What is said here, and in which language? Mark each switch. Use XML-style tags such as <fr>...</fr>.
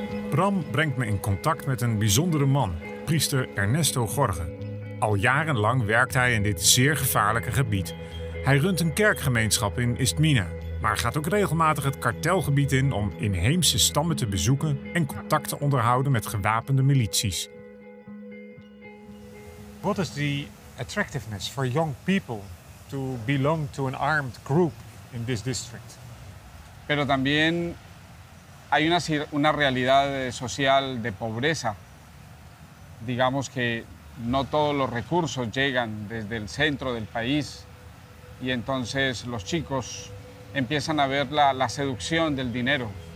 <nl>Bram brengt me in contact met een bijzondere man, priester Ernesto Gorge. Al jarenlang werkt hij in dit zeer gevaarlijke gebied. Hij runt een kerkgemeenschap in Istmina, maar gaat ook regelmatig het kartelgebied in om inheemse stammen te bezoeken en contact te onderhouden met gewapende milities.</nl> <en>What is the attractiveness for young people to belong to an armed group in this district?</en> <es>Pero también hay una realidad social de pobreza. Digamos que no todos los recursos llegan desde el centro del país y entonces los chicos empiezan a ver la seducción del dinero.</es>